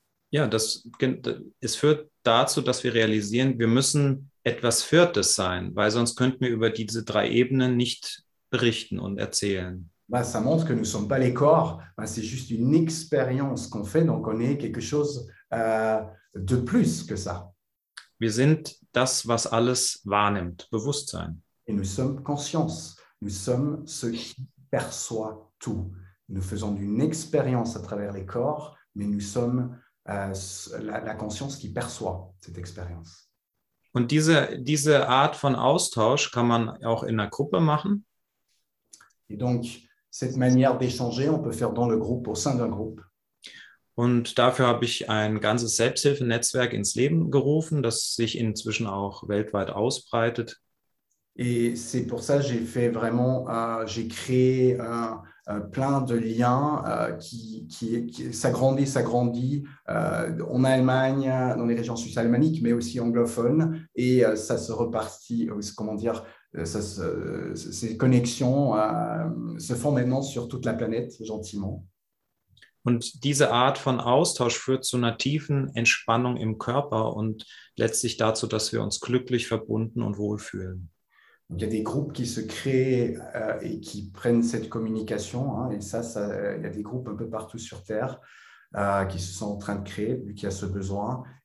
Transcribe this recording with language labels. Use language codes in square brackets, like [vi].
[de] Ja, es führt dazu, dass wir realisieren, wir müssen etwas Viertes sein, weil sonst könnten wir über diese drei Ebenen nicht berichten und erzählen. [fr] Bah, ça montre que nous sommes pas les corps, bah, c'est juste une expérience qu'on fait, donc on est quelque chose de plus que ça. [de] Wir sind das, was alles wahrnimmt, Bewusstsein. [fr] Et nous sommes conscience, nous sommes ce qui perçoit tout. Nous faisons une expérience à travers les corps, mais nous sommes la conscience qui perçoit cette expérience. [de] Und diese Art von Austausch kann man auch in einer Gruppe machen. [fr] Et donc, cette manière d'échanger, on peut faire dans le groupe, au sein d'un groupe. [de] Und dafür habe ich ein ganzes Selbsthilfenetzwerk ins Leben gerufen, das sich inzwischen auch weltweit ausbreitet. [fr] Et c'est pour ça que j'ai fait vraiment, j'ai créé plein de liens qui s'agrandit en Allemagne, dans les régions suisses-allemandes, mais aussi anglophones. Et ça se repartit, comment dire, ces connexions se font maintenant sur toute la planète, gentiment. [de] Und diese Art von Austausch führt zu einer tiefen Entspannung im Körper und letztlich dazu, dass wir uns glücklich verbunden und wohlfühlen. [fr] Il y a des groupes qui se créent et qui prennent cette communication. Hein, et ça, ça, il y a des groupes un peu partout sur Terre qui se sont en train de créer, vu qu'il y a ce besoin.